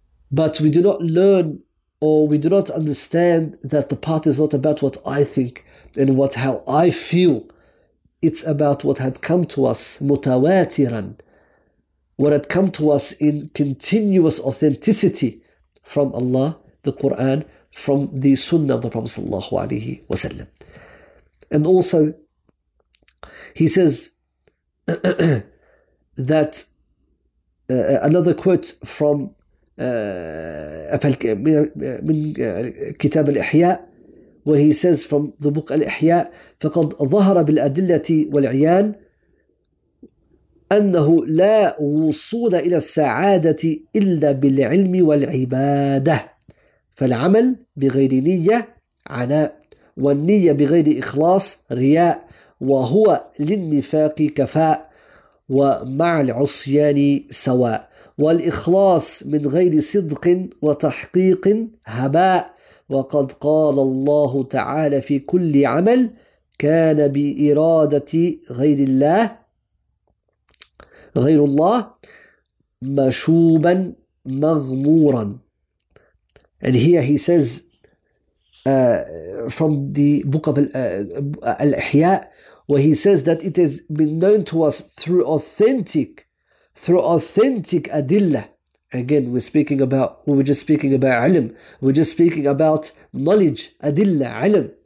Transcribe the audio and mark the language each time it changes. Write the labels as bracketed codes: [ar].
[en] But we do not learn, or we do not understand, that the path is not about what I think and what how I feel. It's about what had come to us mutawatiran, what had come to us in continuous authenticity from Allah, the Quran, from the Sunnah of the Prophet sallallahu alaihi wasallam. And also, he says that another quote from كتاب الإحياء, where he says from the book الإحياء, [ar] فقد ظهر بالأدلة والعيان أنه لا وصول إلى السعادة إلا بالعلم والعبادة فالعمل بغير نية عناء والنية بغير إخلاص رياء وهو للنفاق كفاء ومع العصيان سواء والإخلاص من غير صدق وتحقيق هباء وقد قال الله تعالى في كل عمل كان بإرادة غير الله غير الله مشوبا مغمورا. [en] And here he says from the book of Al-Ihya, where he says that it has been known to us through authentic adillah. Again, we're just speaking about ilm. We're just speaking about knowledge, adillah, ilm.